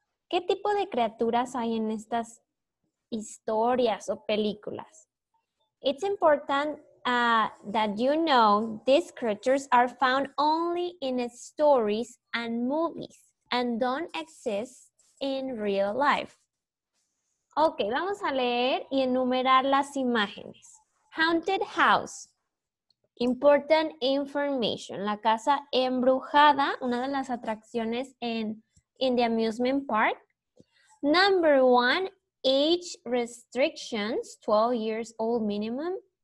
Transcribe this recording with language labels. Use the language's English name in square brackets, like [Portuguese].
[Spanish] ¿Qué tipo de criaturas hay en estas historias o películas? [English] It's important that you know these creatures are found only in stories and movies and don't exist in real life. [Spanish] Ok, vamos a leer y enumerar las imágenes. [English] Haunted house. Important information. [Spanish] La casa embrujada, una de las atracciones en [English] the amusement park. Number one, age restrictions, 12 years old minimum.